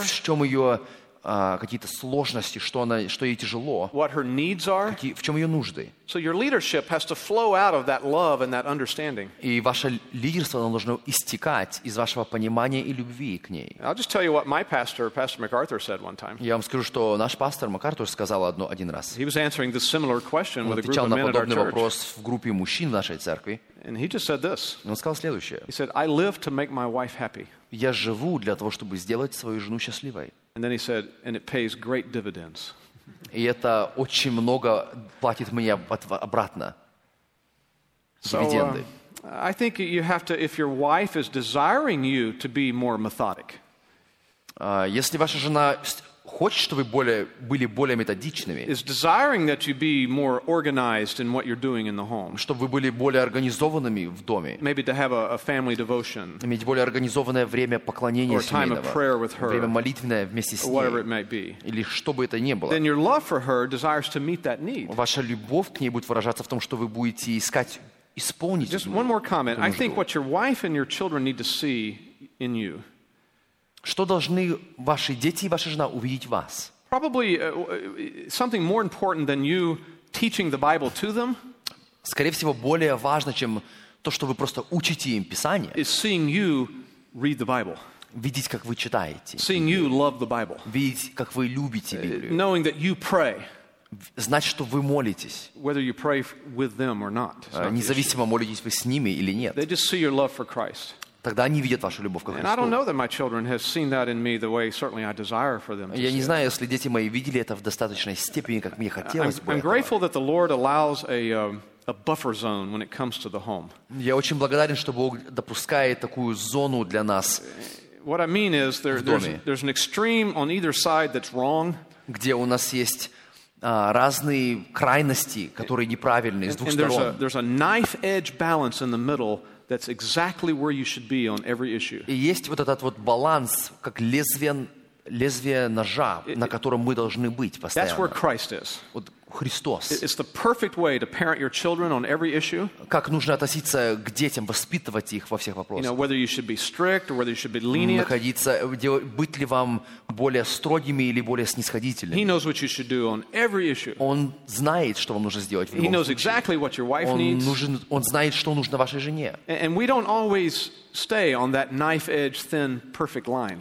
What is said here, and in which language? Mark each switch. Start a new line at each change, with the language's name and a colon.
Russian: в чем ее какие-то сложности, что ей тяжело,
English: what her needs are,
Russian: в чем ее нужды.
English: So your leadership has to flow out of that love and that understanding.
Russian: И ваше лидерство должно истекать из вашего понимания и любви к ней.
English: I'll just tell you what my pastor, Pastor MacArthur, said one time.
Russian: Я вам скажу, что наш пастор MacArthur сказал один раз.
English: He was answering this similar question with a group of men at our
Russian: Отвечал на подобный вопрос в группе мужчин в нашей церкви.
English: And he just said this.
Russian: Он сказал следующее.
English: He said, "I live to make my wife happy."
Russian: Я живу для того, чтобы сделать свою жену счастливой.
English: And then he said, "And it pays great dividends."
Russian: И это очень много платит мне обратно. Дивиденды.
English: I think you have to, if your wife is desiring you to be more methodic.
Russian: Если ваша жена хочет, чтобы вы были более методичными.
English: Is desiring that you be more organized in what you're doing in the home.
Russian: Чтобы вы были более организованными в доме.
English: Maybe to have a family devotion.
Russian: Иметь более организованное время поклонения семейного.
English: Or time of prayer with her.
Russian: Время молитвенное вместе с ней.
English: Whatever it might be.
Russian: Или что бы это ни было.
English: Then your love for her desires to meet that need.
Russian: Ваша любовь к ней будет выражаться в том, что вы будете искать исполнить эту
English: нужду. Just one more comment. I think what your wife and your children need to see in you.
Russian: Что должны ваши дети и ваша жена увидеть в вас?
English: Probably something more important than you teaching the Bible to them.
Russian: Скорее всего, более важно, чем то, что вы просто учите им Писание.
English: Is seeing you read the Bible.
Russian: Видеть, как вы читаете.
English: Seeing you love the Bible.
Russian: Видеть, как вы любите Библию.
English: Knowing that you pray.
Russian: Знать, что вы молитесь.
English: Whether you pray with them or not.
Russian: Независимо, молитесь вы с ними или нет.
English: They just see your love for Christ.
Russian: Тогда они видят вашу любовь к Христу.
English: And I don't know that my children have seen that in me the way certainly I desire for them to see.
Russian: Я не знаю, если дети мои видели это в достаточной степени, как мне хотелось бы.
English: I'm grateful that the Lord allows a buffer zone when it comes to the home.
Russian: Я очень благодарен, что Бог допускает такую зону для нас.
English: What I mean is there's an extreme on either side that's wrong.
Russian: Где у нас есть разные крайности, которые неправильные с двух сторон.
English: There's a knife edge balance in the middle. That's exactly where you should be on every issue.
Russian: И есть вот этот вот баланс, как лезвие ножа, на котором мы должны быть постоянно.
English: That's where Christ is.
Russian: Вот Христос.
English: It's the perfect way to parent your children on every issue.
Russian: Как нужно относиться к детям, воспитывать их во всех вопросах.
English: You know, whether you should be strict or whether you should be lenient.
Russian: Находиться, быть ли вам более строгими или более снисходительными.
English: He knows what you should do on every issue.
Russian: Он знает, что вам нужно сделать в любом случае.
English: He knows exactly what your wife needs.
Russian: Он знает, что нужно вашей жене.
English: And we don't always stay on that knife edge thin perfect line.